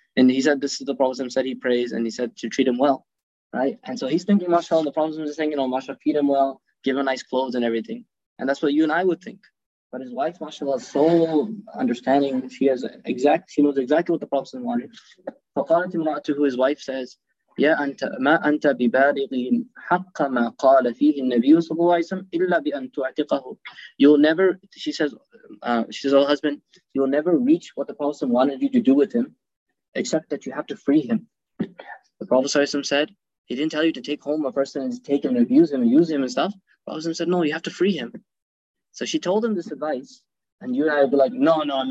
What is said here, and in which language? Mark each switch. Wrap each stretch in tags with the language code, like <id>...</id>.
<en>And he said, this is the Prophet said he prays, and he said to treat him well, right? And so he's thinking, mashallah, the Prophet is saying, mashallah, feed him well. Give him nice clothes and everything. And that's what you and I would think. But his wife, mashallah, is so understanding. She knows exactly what the Prophet wanted.</en> <ar>فَقَالَتْ إِمْرَأَتُهُ,</ar> <en>his wife says,</en> <ar>يَا أَنْتَ مَا أَنْتَ بِبَالِغٍ حَقَّ مَا قَالَ فِيهِ النَّبِيُّ صلى الله عليه وسلم إِلَّا بِأَنْ تُعْتِقَهُ.</ar> <en>You'll never, she says, oh husband, you'll never reach what the Prophet wanted you to do with him, except that you have to free him. The Prophet said, he didn't tell you to take home a person and take him and abuse him and use him and stuff. The Prophet said, no, you have to free him. So she told him this advice, and you and I would be like, no.</en>